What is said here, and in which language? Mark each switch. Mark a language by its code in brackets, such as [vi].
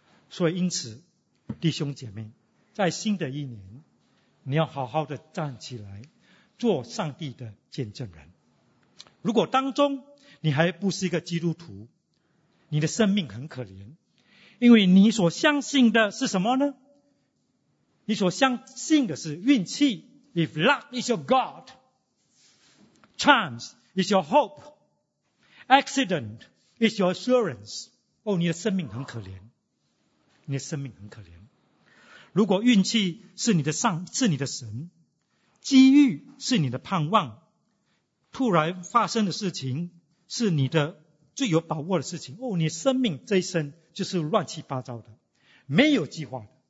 [zh] 所以因此，弟兄姐妹，在新的一年，你要好好的站起来，做上帝的见证人。如果当中你还不是一个基督徒，你的生命很可怜，因为你所相信的是什么呢？你所相信的是运气。 [en] If luck is your God, chance is your hope, accident is your assurance. [zh] 哦，你的生命很可怜，你的生命很可怜。如果运气是你的上，是你的神，机遇是你的盼望，突然发生的事情是你的最有把握的事情，哦，你生命这一生就是乱七八糟的，没有计划的。